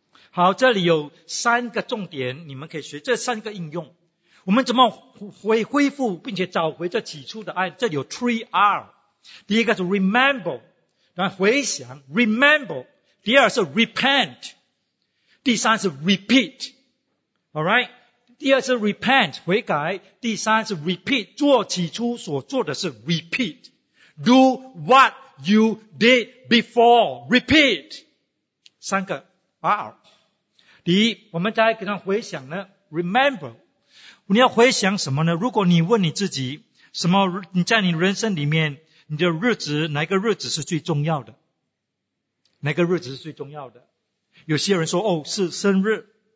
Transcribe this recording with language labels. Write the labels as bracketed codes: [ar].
[zh] 好，这里有三个重点，你们可以学这三个应用。我们怎么恢复并且找回这起初的爱？这里有 3R。第一个是 remember， 然后回想 remember， 第二是 repent， 第三是 repeat。 Alright， 第二是 repent 悔改，第三是 repeat 做起初所做的是 repeat， [en] do what you did before， [zh] repeat。三个 R。第一，我们再给他回想呢， remember， 你要回想什么呢？如果你问你自己，什么你在你人生里面，你的日子，哪个日子是最重要的？哪个日子是最重要的？有些人说，哦，是生日。